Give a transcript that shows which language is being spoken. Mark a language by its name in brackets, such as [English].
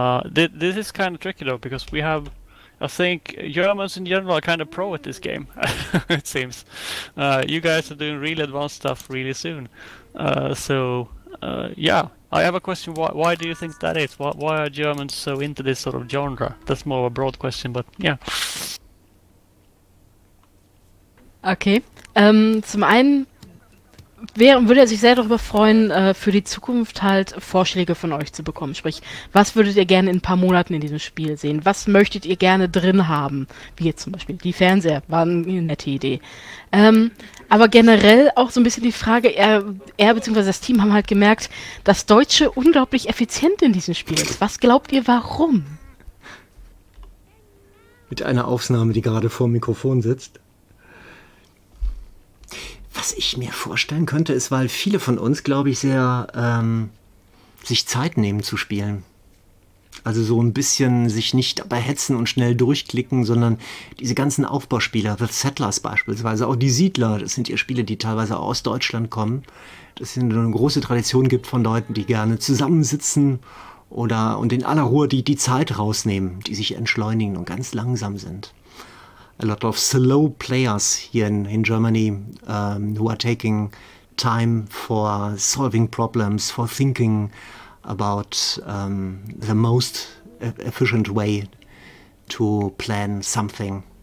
[English] This is kind of tricky, though, because we have... I think Germans in general are kind of pro at this game, it seems. You guys are doing really advanced stuff really soon. So, I have a question. Why do you think that is? Why are Germans so into this sort of genre? That's more of a broad question, but yeah. Okay. [German] Zum einen würde er sich sehr darüber freuen, für die Zukunft halt Vorschläge von euch zu bekommen. Sprich, was würdet ihr gerne in ein paar Monaten in diesem Spiel sehen? Was möchtet ihr gerne drin haben? Wie jetzt zum Beispiel die Fernseher, war eine nette Idee. Aber generell auch so ein bisschen die Frage, er bzw. das Team haben halt gemerkt, dass Deutsche unglaublich effizient in diesem Spiel ist. Was glaubt ihr, warum? Mit einer Aufnahme, die gerade vor dem Mikrofon sitzt. Was ich mir vorstellen könnte, ist, weil viele von uns, glaube ich, sehr sich Zeit nehmen zu spielen. Also so ein bisschen sich nicht dabei hetzen und schnell durchklicken, sondern diese ganzen Aufbauspieler, The Settlers beispielsweise, auch die Siedler, das sind ja Spiele, die teilweise auch aus Deutschland kommen. Das sind eine große Tradition gibt von Leuten, die gerne zusammensitzen oder und in aller Ruhe die Zeit rausnehmen, die sich entschleunigen und ganz langsam sind. [English] A lot of slow players here in Germany who are taking time for solving problems, for thinking about the most efficient way to plan something.